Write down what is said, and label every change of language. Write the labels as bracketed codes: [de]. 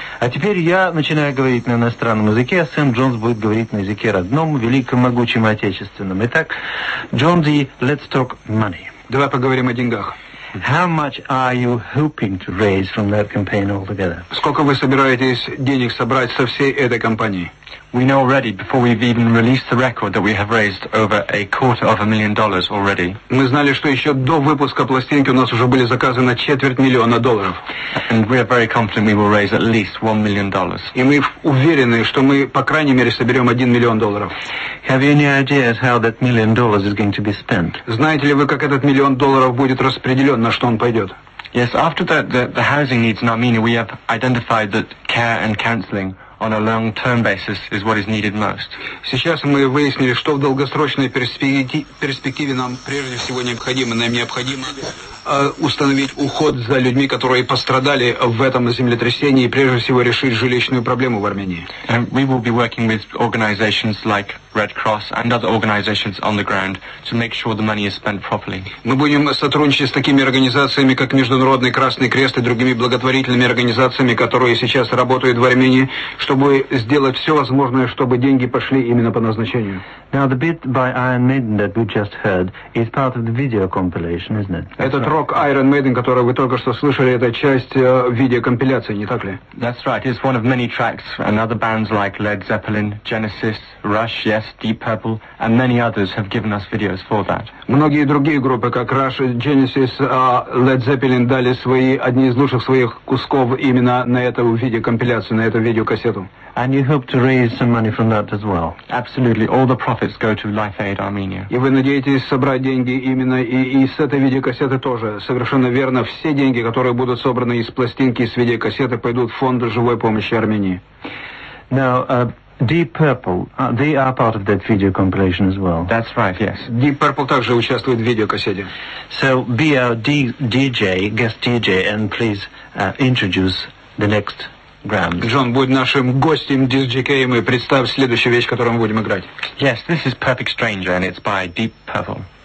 [ru] А теперь я начинаю говорить на иностранном языке, а Сэм Джонс будет говорить на языке родном, великом, могучем и отечественном. Итак, Джон Ди, [en] let's talk money. [ru] Давай поговорим о деньгах. [en] How much are you hoping to raise from that campaign altogether? [ru] Сколько вы собираетесь денег собрать со всей этой кампании? [en] We know already, before we've even released the record, that we have raised over a quarter of $1 million already. [ru] Мы знали, что еще до выпуска пластинки у нас уже были заказы на $250,000. [en] And we are very confident we will raise at least $1 million. [ru] И мы уверены, что мы, по крайней мере, соберем $1 million. [en] Have you any ideas how that $1 million is going to be spent? [ru] Знаете ли вы, как этот миллион долларов будет распределен, на что он пойдет? [en] Yes, after that, the housing needs in Armenia, we have identified that care and counseling on a long-term basis is what is needed most. [ru] Сейчас мы выяснили, что в долгосрочной перспективе нам прежде всего необходимо, нам необходимо установить уход за людьми, которые пострадали в этом землетрясении, и прежде всего решить жилищную проблему в Армении. [en] And we will be working with organizations like Red Cross and other organizations on the ground to make sure the money is spent properly. [ru] Мы будем сотрудничать с такими организациями, как Международный Красный Крест и другими благотворительными организациями, которые сейчас работают в Армении, чтобы сделать все возможное, чтобы деньги пошли именно по назначению. [en] Now the bit by Iron Maiden that we just heard is part of the video compilation, isn't it? [ru] Этот рок Iron Maiden, который вы только что слышали, это часть видеокомпиляции, не так ли? [en] That's right. It's one of many tracks. And other bands like Led Zeppelin, Genesis, Rush, yes, Deep Purple, and many others have given us videos for that. [ru] Многие другие группы, как Rush, Genesis, Led Zeppelin, дали свои одни из лучших своих кусков именно на эту видеокомпиляцию, на эту видеокассету. [en] And you hope to raise some money from that as well. Absolutely. All the profits go to Life Aid Armenia. [ru] И вы надеетесь собрать деньги именно и с этой видеокассеты тоже. Совершенно верно. Все деньги, которые будут собраны из пластинки и с видеокассеты, пойдут в фонд живой помощи Армении. [en] Now, Deep Purple, they are part of that video compilation as well. That's right, yes. [ru] Deep Purple также участвует в видеокассете. [en] So, be our DJ, guest DJ, and please introduce the next Grand. [ru] Джон, будь нашим гостем, диджеем, и представь следующую вещь, которую мы будем играть. [en] Yes, this is Perfect Stranger, and it's by Deep Purple.